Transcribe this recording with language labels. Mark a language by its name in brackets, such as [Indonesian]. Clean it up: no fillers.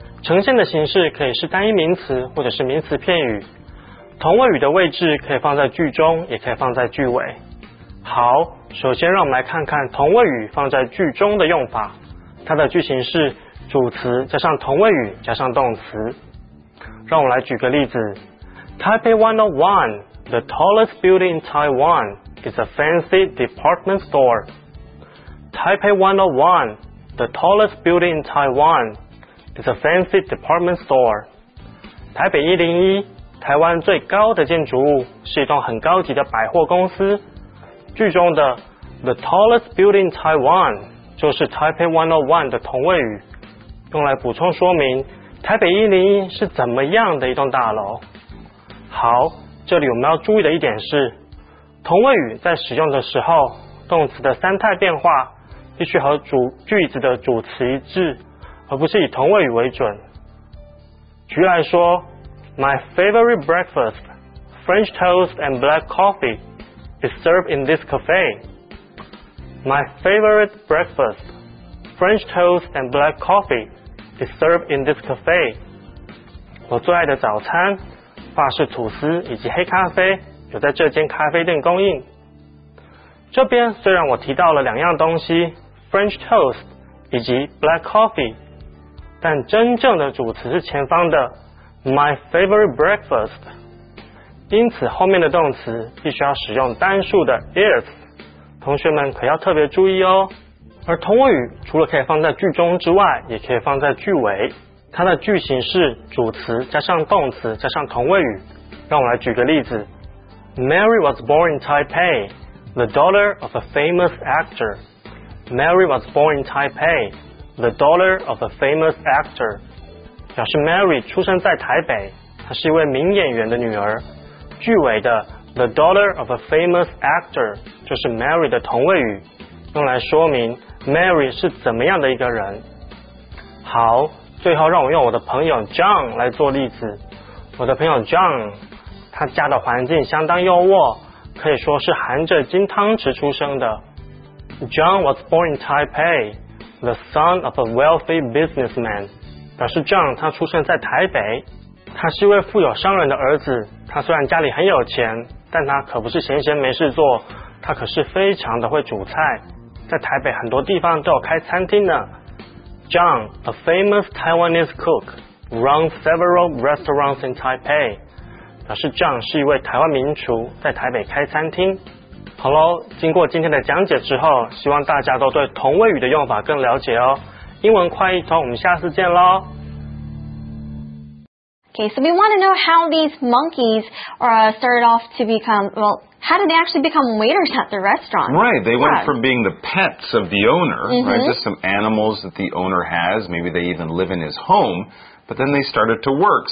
[Chinese] 呈现的形式可以是单一名词或者是名词片语。同位语的位置可以放在句中，也可以放在句尾。好，首先让我们来看看同位语放在句中的用法。它的句型是主词加上同位语加上动词。让我来举个例子。 [English] Taipei 101, the tallest building in Taiwan, is a fancy department store. Taipei 101, the tallest building in Taiwan, is a fancy department store. [Chinese] 台北101台湾最高的建筑物是一栋很高级的百货公司。句中的 [English] The tallest building in Taiwan [Chinese] 就是 Taipei 101的同位语，用来补充说明台北101是怎么样的一栋大楼。好，这里我们要注意的一点是，同位语在使用的时候，动词的三态变化必须和句子的主词一致，而不是以同位语为准。 [English] 举例来说，My favorite breakfast, French toast and black coffee, is served in this cafe. My favorite breakfast, French toast and black coffee is served in this cafe. [Chinese] 我最爱的早餐，法式吐司以及黑咖啡有在这间咖啡店供应。这边虽然我提到了两样东西 French toast 以及 black coffee， 但真正的主词是前方的 [English] my favorite breakfast， [Chinese] 因此后面的动词必须要使用单数的 is， 同学们可要特别注意哦。而同位语除了可以放在句中之外，也可以放在句尾，它的句型是主词加上动词加上同位语。让我来举个例子， [English] Mary was born in Taipei, the daughter of a famous actor. Mary was born in Taipei, the daughter of a famous actor. [Chinese] 表示 Mary 出生在台北，她是一位名演员的女儿。句尾的 [English] the daughter of a famous actor [Chinese] 就是 Mary 的同位语，用来说明 Mary 是怎么样的一个人。好，最后让我用我的朋友 John 来做例子。我的朋友 John 他家的环境相当优渥，可以说是含着金汤匙出生的。 [English] John was born in Taipei, the son of a wealthy businessman. [Chinese] 表示 John 他出生在台北，他是一位富有商人的儿子。他虽然家里很有钱，但他可不是闲闲没事做，他可是非常的会煮菜，在台北很多地方都有开餐厅呢。 [English] John, a famous Taiwanese cook, runs several restaurants in Taipei. [Chinese] 表示 John 是一位台湾名厨，在台北开餐厅。好咯，经过今天的讲解之后，希望大家都对同位语的用法更了解哦。英文快一通，我们下次见咯。 [English] Okay, so we want to know how these monkeys started off to become, well, how did they actually become waiters at the restaurant? Right, they went from being the pets of the owner, right, just some animals that the owner has, maybe they even live in his home, but then they started to work.